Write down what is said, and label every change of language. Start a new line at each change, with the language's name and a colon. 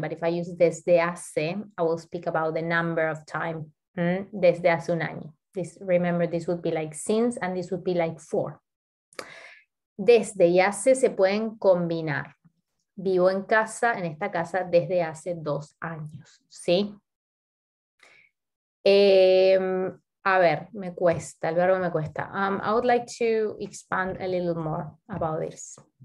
English: But if I use desde hace, I will speak about the number of time. ¿Mm?
Spanish: Desde hace un año.
English: This, remember, this would be like since and this would be like for.
Spanish: Desde y hace se pueden combinar. Vivo en casa, en esta casa, desde hace dos años, ¿sí? A ver, me cuesta, el verbo me cuesta.
English: I would like to expand a little more about this.